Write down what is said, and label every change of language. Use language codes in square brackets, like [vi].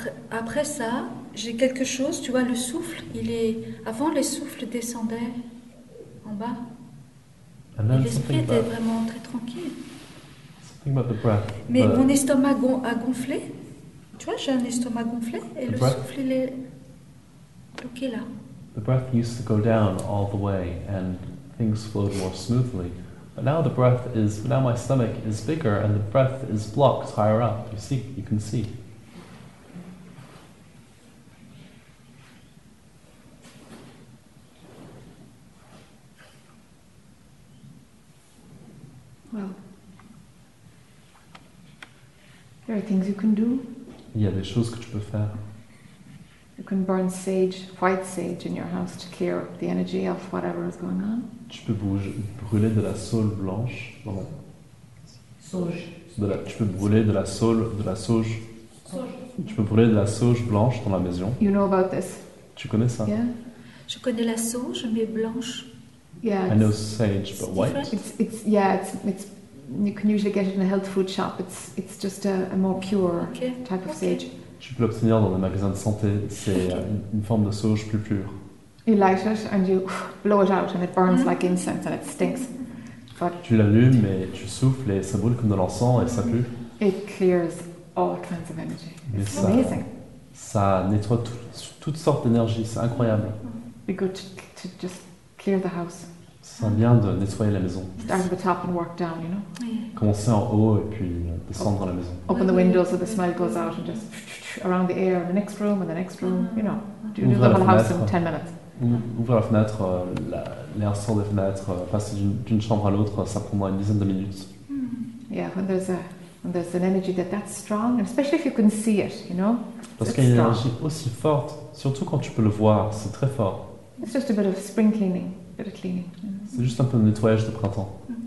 [fr] Après ça, j'ai quelque chose, tu vois, le souffle, il est... Avant, le souffle descendait en bas. [en] And then [fr] et l'esprit était [en] about, [fr] vraiment très tranquille. [en] Something about the breath. [fr] Mais [en] the, [fr] mon estomac a gonflé. Tu vois, j'ai un estomac gonflé et le [en] breath, [fr] souffle, il est bloqué là. [en] The breath used to go down all the way and things flowed more smoothly. But now the breath is... Now my stomach is bigger and the breath is blocked higher up. You see, you can see. Well, there are things you can do. [fr] Il y a des choses que tu peux faire. [en] You can burn sage, white sage, in your house to clear the energy of whatever is going on. [fr] Tu peux brûler de la saule blanche, vraiment. Sauge. Tu peux brûler de la saule, de la sauge. Sauge. Tu peux brûler de la sauge blanche dans la maison. [en] You know about this. [fr] Tu connais ça. [en] Yeah. [fr] Je connais la sauge, mais blanche. [en] Yeah, I know sage, but white. It's you can usually get it in a health food shop. It's just a more pure type of sage. [fr] Tu peux l'obtenir dans les magasins de santé. C'est une forme de sauge plus pure. [en] You light it and you blow it out and it burns like incense and it stinks. But [fr] tu l'allumes et tu souffles et ça brûle comme de l'encens et ça pue. [en] It clears all kinds of energy. [fr] Mais [en] it's amazing. [fr] Ça nettoie toutes sortes d'énergie. C'est incroyable. [en] Be good to just clear the house. [fr] C'est bien de nettoyer la maison. [en] Start at the top and work down, you know. Yeah. [fr] Commencer en haut et puis descendre la maison. [en] Open the windows so the smell goes out and just around the air in the next room and the next room, you know. Do the whole house in 10 minutes. [fr] Ouvrir la fenêtre, l'air sort des fenêtres, passer d'une chambre à l'autre, ça prendra une dizaine de minutes. Mm-hmm. [en] Yeah, when there's an energy that's strong, and especially if you can see it, you know. [fr] Parce qu'il y a une énergie aussi forte, surtout quand tu peux le voir, c'est très fort. [en] It's just a bit of spring cleaning, a bit of cleaning. [fr] C'est juste un peu de nettoyage de printemps.